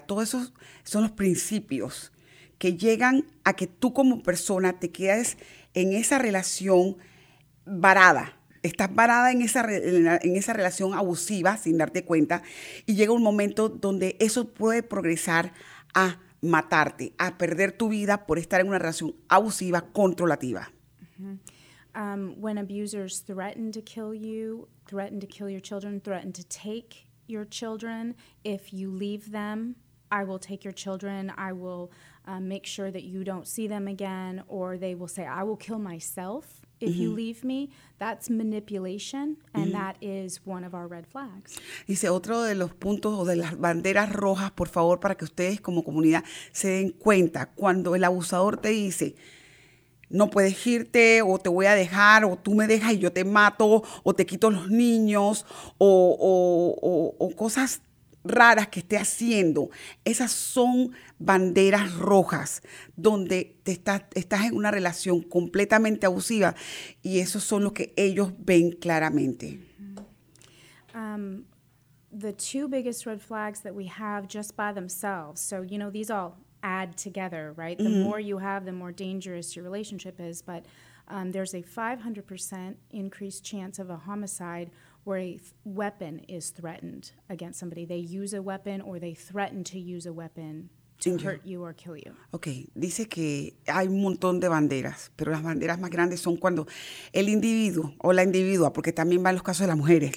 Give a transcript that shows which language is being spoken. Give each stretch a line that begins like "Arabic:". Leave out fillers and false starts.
Spanish: Todos esos son los principios que llegan a que tú como persona te quedes en esa relación varada. Estás varada en esa relación abusiva sin darte cuenta y llega un momento donde eso puede progresar a matarte, a perder tu vida por estar en una relación abusiva, controlativa.
English: When abusers threaten to kill you, threaten to kill your children, threaten to take your children, if you leave them, I will take your children, I will make sure that you don't see them again, or they will say, I will kill myself if mm-hmm. you leave me, that's manipulation, and mm-hmm. that is one of our red flags.
Spanish: Dice, otro de los puntos o de las banderas rojas, por favor, para que ustedes como comunidad se den cuenta, cuando el abusador te dice, no puedes irte, o te voy a dejar, o tú me dejas y yo te mato, o te quito los niños, o cosas raras que esté haciendo. Esas son banderas rojas donde estás en una relación completamente abusiva y esos son los que ellos ven claramente. Mm-hmm.
English: The two biggest red flags that we have just by themselves, so you know these all add together, right? The mm-hmm. more you have, the more dangerous your relationship is. But there's a 500% increased chance of a homicide where a weapon is threatened against somebody. They use a weapon or they threaten to use a weapon to mm-hmm. hurt you or kill you. Okay.
Spanish: Dice que hay un montón de banderas, pero las banderas más grandes son cuando el individuo o la individua, porque también van los casos de las mujeres.